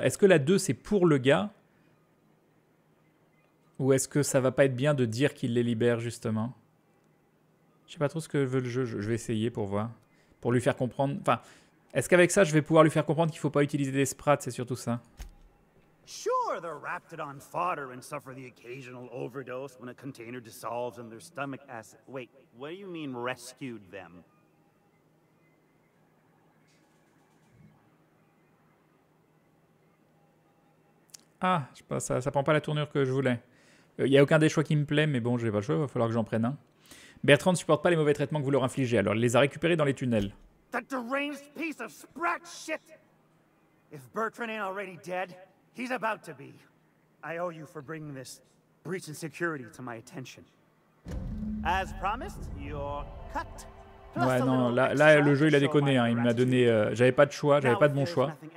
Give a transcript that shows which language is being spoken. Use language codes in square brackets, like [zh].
[fr] Est-ce que la 2, c'est pour le gars? Ou est-ce que ça va pas être bien de dire qu'il les libère, justement? Je sais pas trop ce que veut le jeu. Je vais essayer pour voir. Pour lui faire comprendre. Enfin, est-ce qu'avec ça, je vais pouvoir lui faire comprendre qu'il faut pas utiliser des sprats? C'est surtout ça. [en] Sure, they're wrapped in fodder and suffer the occasional overdose when a container dissolves in their stomach acid. Wait, what do you mean rescued them? [fr] Ah, je sais pas, ça prend pas la tournure que je voulais. Il y a aucun des choix qui me plaît, mais bon, j'ai pas le choix, il va falloir que j'en prenne un. Bertrand ne supporte pas les mauvais traitements que vous leur infligez, alors il les a récupérés dans les tunnels. [en] That deranged piece of sprat shit. If Bertrand ain't already dead, he's about to be. I owe you for bringing this breach in security to my attention. As promised, you're cut. [fr] Ouais, non, là, le jeu, il a déconné, hein. Il m'a donné... j'avais pas de choix, j'avais pas de bon choix.